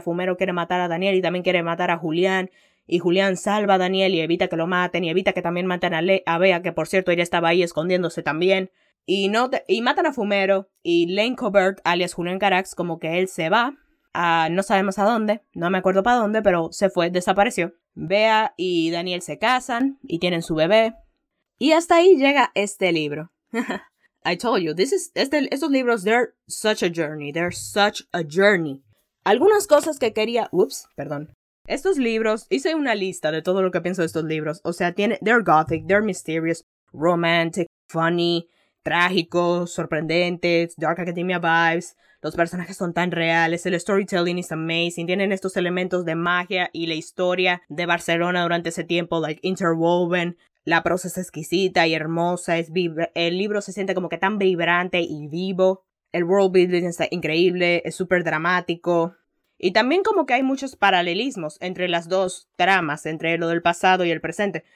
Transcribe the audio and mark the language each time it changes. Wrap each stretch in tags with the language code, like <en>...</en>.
<es>Fumero quiere matar a Daniel y también quiere matar a Julián. Y Julián salva a Daniel y evita que lo maten. Y evita que también maten a Bea, que por cierto ella estaba ahí escondiéndose también. Y matan a Fumero y Lane Covert, alias Julián Carax, como que él se va. No sabemos a dónde, no me acuerdo para dónde, pero se fue, desapareció. Bea y Daniel se casan y tienen su bebé. Y hasta ahí llega este libro.</es> <en>I told you,</en> <es>estos libros,</es> <en>they're such a journey, they're such a journey.</en> <es>Algunas cosas que quería, estos libros, hice una lista de todo lo que pienso de estos libros. O sea,</es> <en>they're gothic, they're mysterious, romantic, funny,</en> <es>trágicos, sorprendentes, Dark Academia vibes, los personajes son tan reales, el</es> <en>storytelling is amazing,</en> <es>tienen estos elementos de magia y la historia de Barcelona durante ese tiempo,</es> <en>like, interwoven,</en> <es>la prosa es exquisita y hermosa, el libro se siente como que tan vibrante y vivo, el world building está increíble, es súper dramático, y también como que hay muchos paralelismos entre las dos tramas, entre lo del pasado y el presente.</es>